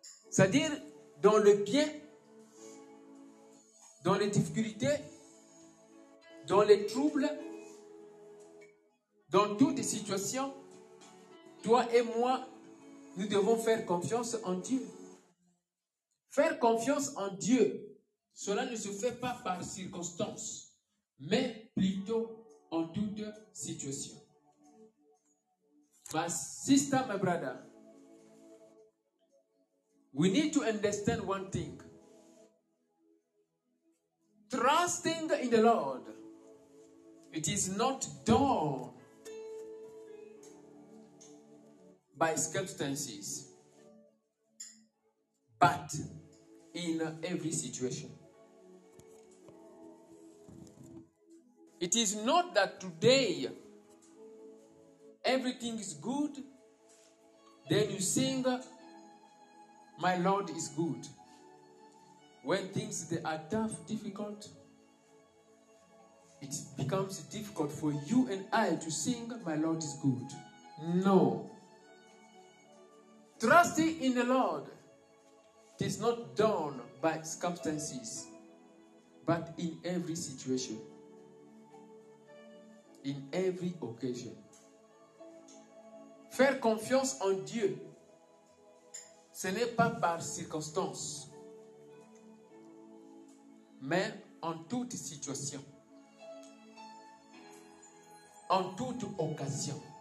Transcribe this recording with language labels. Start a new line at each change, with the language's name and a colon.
French: C'est-à-dire, dans le bien, dans les difficultés, dans les troubles, dans toutes les situations, toi et moi, nous devons faire confiance en Dieu. Faire confiance en Dieu, cela ne se fait pas par circonstances, mais plutôt en toute situation.
English: My sister, my brother, we need to understand one thing. Trusting in the Lord, it is not done by circumstances, but in every situation. It is not that today everything is good, then you sing, "My Lord is good." When things are tough, difficult, it becomes difficult for you and I to sing, "My Lord is good." No. Trusting in the Lord, it is not done by circumstances, but in every situation. in every occasion.
French: Faire confiance en Dieu, ce n'est pas par circonstance, mais en toute situation, en toute occasion.